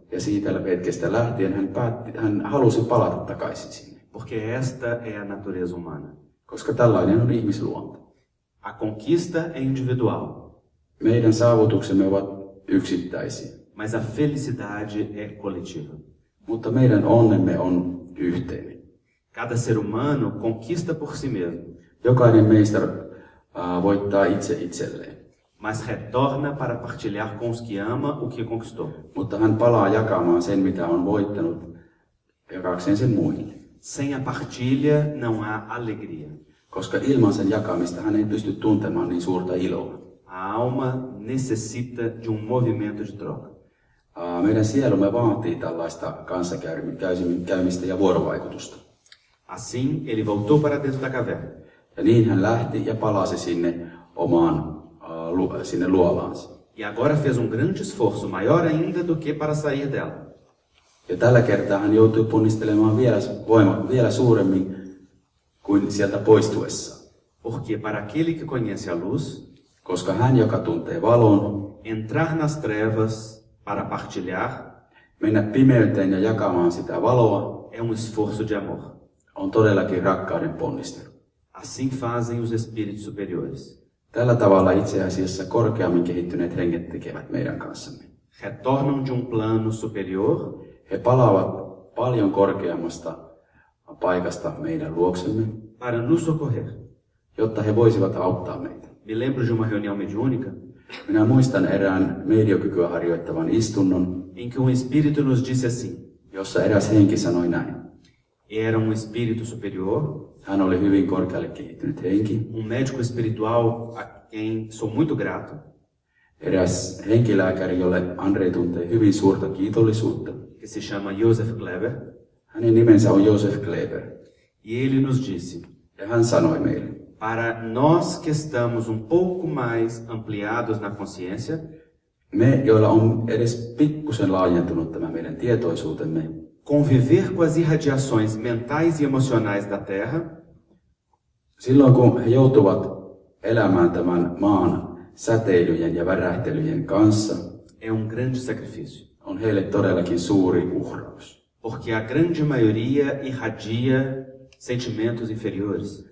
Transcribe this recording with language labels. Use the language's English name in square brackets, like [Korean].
[Finnish] Ja siitä hetkestä lähtien hän halusi palata takaisin sinne. [Portuguese] Porque esta é a natureza humana. [Finnish] Koska tällainen on ihmisluonto. [Portuguese] A conquista é individual. [Finnish] Meidän saavutuksemme ovat yksittäisiä. [Portuguese] Mas a felicidade é coletiva. [Finnish] Mutta meidän onnemme on yhteinen. [Portuguese] Cada ser humano conquista por si mesmo. [Finnish] Jokainen meistä voittaa itse itselleen. [Portuguese] Mas retorna para partilhar com os que ama o que conquistou. [Finnish] Mutta hän palaa jakamaan sen, mitä on voittanut, jakakseen sen muille. [Portuguese] Sem a partilha não há alegria. [Finnish] Koska ilman sen jakamista hän ei pysty tuntemaan niin suurta iloa. [Portuguese] A alma necessita de um movimento de troca. [Finnish] Meidän sielumme vaatii tällaista kanssakäymistä ja vuorovaikutusta. [Portuguese] Assim ele voltou para dentro da caverna. [Finnish] Ja niin hän lähti ja palasi sinne omaan sinne luolaansa. [Portuguese] E agora fez grande esforço, maior ainda do que para sair dela. [Finnish] Ja tällä kertaa hän joutui ponnistelemaan vielä suuremmin kuin sieltä poistuessa. [Portuguese] Porque para aquele que conhece a luz, [Finnish] koska hän, joka tuntee valon, [Portuguese] entrar nas trevas para partilhar, [Finnish] mennä pimeyteen ja jakamaan sitä valoa, [Portuguese] é esforço de amor. [Finnish] On todellakin rakkauden ponnistelu. [Portuguese] Assim fazem os espíritos superiores. [Finnish] Tällä tavalla itse asiassa korkeammin kehittyneet henget tekevät meidän kanssamme. [Portuguese] Retornam de plano superior. [Finnish] He palaavat paljon korkeammasta paikasta meidän luoksemme. [Portuguese] Para nos socorrer. [Finnish] Jotta he voisivat auttaa meitä. [Portuguese] Me lembro de uma reunião mediúnica. [Finnish] Minä muistan erään mediokykyä harjoittavan istunnon. [Portuguese] Em que espírito nos disse assim. [Finnish] Jossa eräs henki sanoi näin. [Portuguese] Era espírito superior. [Finnish] Hän oli hyvin korkealle kehittynyt henki. [Portuguese] Médico espiritual a quem sou muito grato. [Finnish] Eräs henkilääkäri, jolle Andrei tuntee hyvin suurta kiitollisuutta. [Portuguese] Que se chama Josef Kleber. [Finnish] Hänen nimensä on Josef Kleber. [Portuguese] E ele nos disse. [Finnish] Ja hän sanoi meille. [Portuguese] Para nós que estamos pouco mais ampliados na consciência. [Finnish] Me, joilla on edes pikkusen laajentunut tämä meidän tietoisuutemme. [Portuguese] Conviver com as irradiações mentais e emocionais da Terra. [Finnish] Silloin kun he joutuvat elämään tämän maan säteilyjen ja värähtelyjen kanssa. [Portuguese] É grande sacrifício. [Finnish] On heille todellakin suuri uhraus. [Portuguese] Porque a grande maioria irradia sentimentos inferiores.